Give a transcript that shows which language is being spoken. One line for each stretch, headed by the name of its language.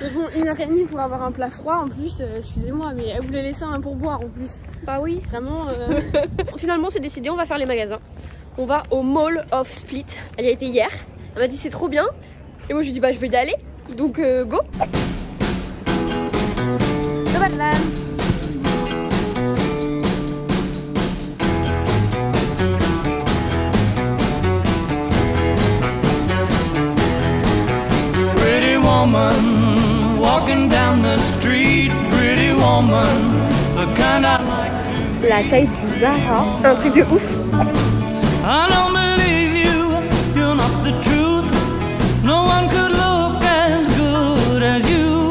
French: Bon, 1h30 pour avoir un plat froid en plus, excusez-moi, mais elle voulait laisser un pourboire en plus. Bah oui, vraiment. Finalement, c'est décidé, on va faire les magasins. On va au Mall of Split. Elle y a été hier. Elle m'a dit c'est trop bien. Et moi, je lui ai dit bah je veux y aller. Donc, go.
English: Pretty woman walking down the street, pretty woman, the kind I like.
French: La taille du Zara, un truc de ouf.
English: I don't believe you, you're not the truth. No one could look as good as you.